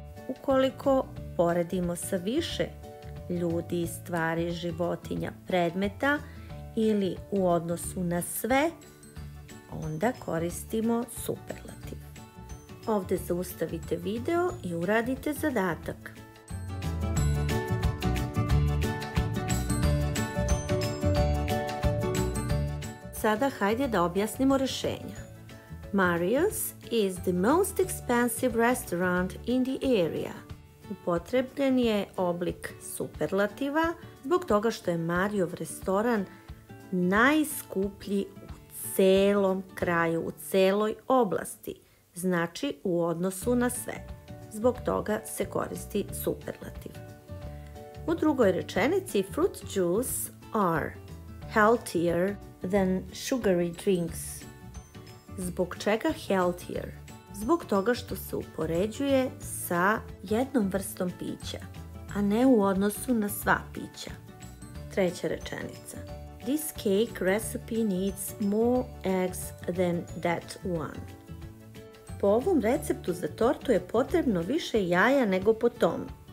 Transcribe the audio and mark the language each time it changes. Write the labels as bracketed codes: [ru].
[sr] Ukoliko poredimo sa više ljudi, stvari, životinja, predmeta ili u odnosu na sve, onda koristimo superlativ. Ovde zaustavite video i uradite zadatak. Sada hajde da objasnimo rešenja. [en] Mario's is the most expensive restaurant in the area. [sr] Upotrebljen je oblik superlativa zbog toga što je Mario's restoran najskuplji u celom kraju, u celoj oblasti, znači u odnosu na sve. Zbog toga se koristi superlativ. U drugoj rečenici [en] fruit juice are healthier than sugary drinks. [sr] Zbog čega healthier? Zbog toga što se upoređuje sa jednom vrstom pića, a ne u odnosu na sva pića. Treća rečenica. [en] This cake recipe needs more eggs than that one. [sr] Po ovom receptu za tortu je potrebno više jaja nego po tom.